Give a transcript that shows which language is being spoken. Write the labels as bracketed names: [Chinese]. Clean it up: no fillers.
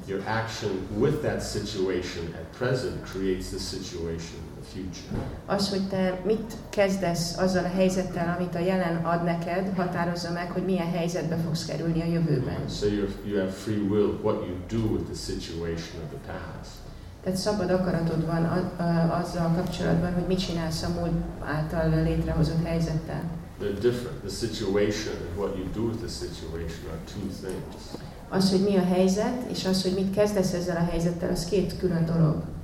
[English] Your action with that situation at present creates the situation in the future. [Hungarian] Az, hogy te mit kezdesz azzal a helyzettel, amit a jelen ad neked, határozza meg, hogy milyen helyzetbe fogsz kerülni a jövőben. [English] So you have free will what you do with the situation of the past. [Hungarian] Tehát szabad akaratod van azzal kapcsolatban, hogy mit csinálsz a múlt által létrehozott helyzettel. [English] They're different. The situation and what you do with the situation are two things. [Hungarian] Az, hogy mi a helyzet, és az, hogy mit kezdesz ezzel a helyzettel, az két külön dolog.